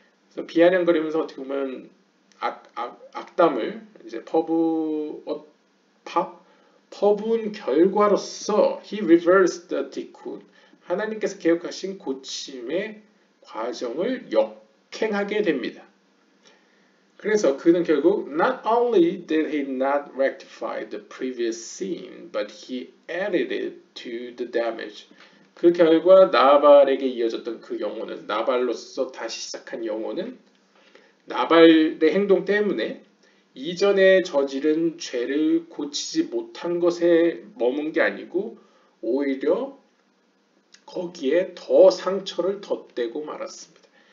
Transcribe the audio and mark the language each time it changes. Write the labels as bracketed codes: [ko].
[ko] 그래서 비아냥거리면서 어떻게 보면 악담을 이제 퍼부은 결과로서 [en] he reversed the tikkun. [ko] 하나님께서 개혁하신 고침의 과정을 역행하게 됩니다. 그래서 그는 결국 [en] not only did he not rectify the previous sin, but he added it to the damage. [ko] 그 결과 나발에게 이어졌던 그 영혼은 나발로서 다시 시작한 영혼은 나발의 행동 때문에 이전에 저지른 죄를 고치지 못한 것에 머문 게 아니고 오히려 거기에 더 상처를 덧대고 말았습니다.